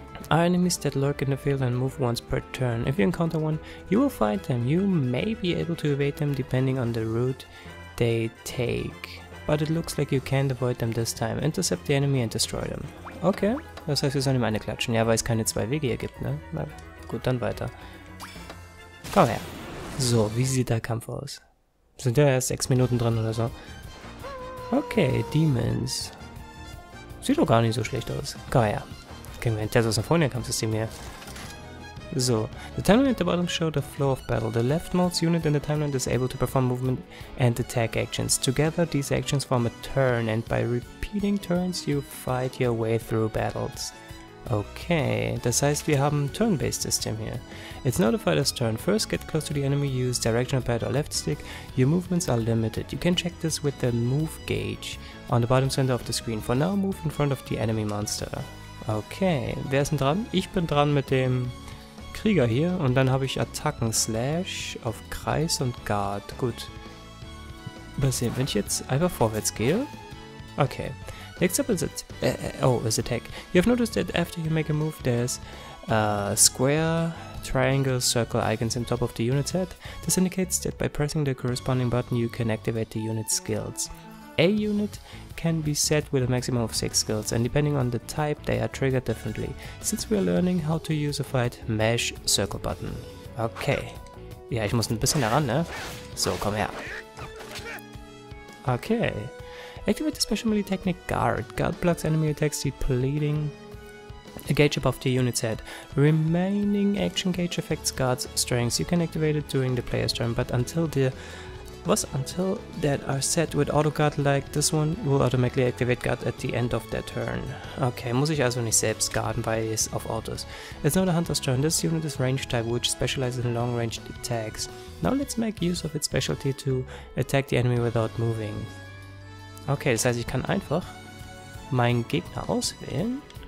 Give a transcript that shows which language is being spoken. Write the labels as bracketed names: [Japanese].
[English] Enemies that lurk in the field and move once per turn. If you encounter one, you will fight them. You may be able to evade them depending on the route they take. But it looks like you can't avoid them this time. Intercept the enemy and destroy them. [German] Okay, das heißt, wir sollen ihm eine klatschen. Ja, weil es keine zwei Wege hier gibt, ne? Na gut, dann weiter. Komm her. So, wie sieht der Kampf aus? Sind ja erst 6 Minuten drin oder so. Okay, Demons. Sieht doch gar nicht so schlecht aus. Komm her. Okay, wir haben ein Phonia-Kampfsystem hier. [English] So, the timeline at the bottom shows the flow of battle. The leftmost unit in the timeline is able to perform movement and attack actions. Together, these actions form a turn, and by repeating turns, you fight your way through battles. [German] Okay, das heißt, wir haben ein turn-based System hier. [English] It's not a fighter's turn. First, get close to the enemy, use directional pad or left stick. Your movements are limited. You can check this with the move gauge on the bottom center of the screen. For now, move in front of the enemy monster. [German] Okay, wer ist denn dran? Ich bin dran mit dem Krieger hier und dann habe ich Attacken, Slash auf Kreis und Guard. Gut. Mal sehen, wenn ich jetzt einfach vorwärts gehe. [English] Okay. Next up is it, is Attack. You have noticed that after you make a move, there's Square, Triangle, Circle icons on top of the unit's head. This indicates that by pressing the corresponding button, you can activate the unit's skills. A unit can be set with a maximum of 6 skills, and depending on the type, they are triggered differently. Since we are learning how to use a fight, mash circle button. Okay. [German] Ja, ich muss ein bisschen heran, ne? So, komm her. Okay. [English] Activate the special melee technique Guard. Guard blocks enemy attacks, depleting a gauge above the unit's head. Remaining action gauge affects Guard's strengths. You can activate it during the player's turn, but until the... Was until that are set with auto guard like this one will automatically activate guard at the end of their turn. [German] Okay, muss ich also nicht selbst guarden, weil es auf autos. [English] It's not a hunter's turn. This unit is range type, which specializes in long range attacks. Now let's make use of its specialty to attack the enemy without moving. [German] Okay, das heißt, ich kann einfach meinen Gegner auswählen.